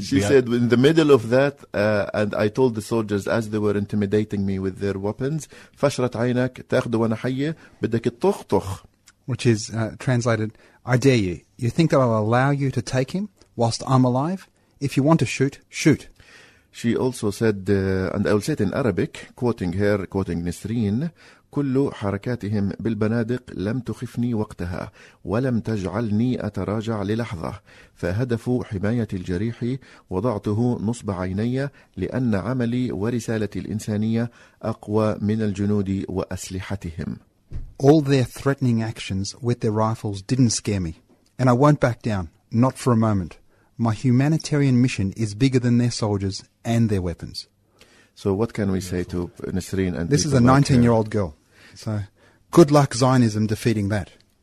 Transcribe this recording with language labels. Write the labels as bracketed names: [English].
[English] She said, in the middle of that, and I told the soldiers as they were intimidating me with their weapons, [Arabic] فشرت عينك تاخذ وانا حية بدك تخطخ, [English] which is translated, I dare you. You think that I'll allow you to take him whilst I'm alive? If you want to shoot, shoot. She also said, and I will say it in Arabic, quoting Nisreen, [Arabic] كل حركاتهم بالبنادق لم تخفني وقتها ولم تجعلني أتراجع للحظة فهدف حماية الجريح وضعته نصب عيني لأن عملي ورسالة الإنسانية أقوى من الجنود وأسلحتهم. [English] All their threatening actions with their rifles didn't scare me, and I won't back down, not for a moment. My humanitarian mission is bigger than their soldiers and their weapons. So what can we say to Nisreen? And this is a 19-year-old girl. So good luck, Zionism, defeating that.